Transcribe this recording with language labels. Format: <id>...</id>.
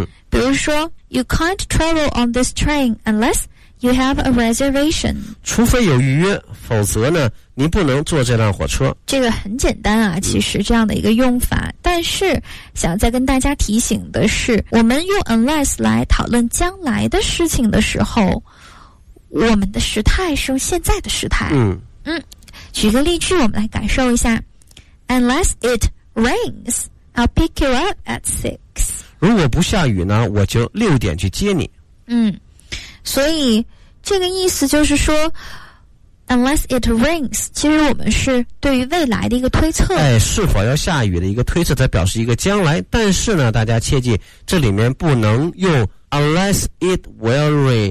<zh>比如说</zh> <en>You can't travel on this train unless you have a reservation，</en> <zh>除非有预约，否则呢你不能坐这辆火车。这个很简单啊，其实这样的一个用法，但是想再跟大家提醒的是，我们用 unless 来讨论将来的事情的时候，我们的时态是用现在的时态。举个例句，我们来感受一下。</zh> <en>Unless it rains, I'll pick you up at 6.</en> <zh>如果不下雨呢，我就六点去接你。嗯，所以这个意思就是说</zh> <en>Unless it rains,</en> <zh>其实我们是对于未来的一个推测。哎，是否要下雨的一个推测，才表示一个将来。但是呢，大家切记，这里面不能用</zh> <en>unless it will rain。</en>